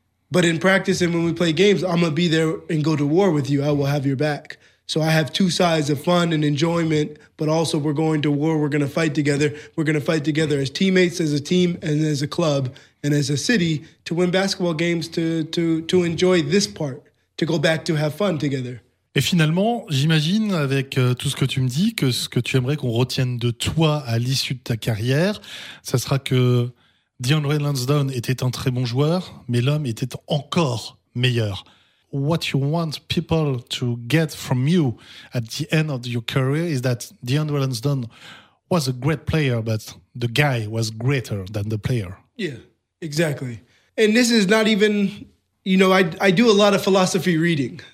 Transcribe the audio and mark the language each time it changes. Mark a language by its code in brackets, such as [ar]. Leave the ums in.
[en] But in practice and when we play games, I'm going to be there and go to war with you. I will have your back. So I have two sides of fun and enjoyment, but also we're going to war. We're going to fight together. We're going to fight together as teammates, as a team, and as a club, and as a city to win basketball games, to to to enjoy this part, to go back to have fun together. [fr] Et finalement, j'imagine avec euh, tout ce que tu me dis que ce que tu aimerais qu'on retienne de toi à l'issue de ta carrière, ça sera que DeAndre Lansdowne était un très bon joueur, mais l'homme était encore meilleur. [en] What you want people to get from you at the end of your career is that DeAndre Lansdowne was a great player, but the guy was greater than the player. Yeah, exactly. And this is not even, you know, I, I do a lot of philosophy reading.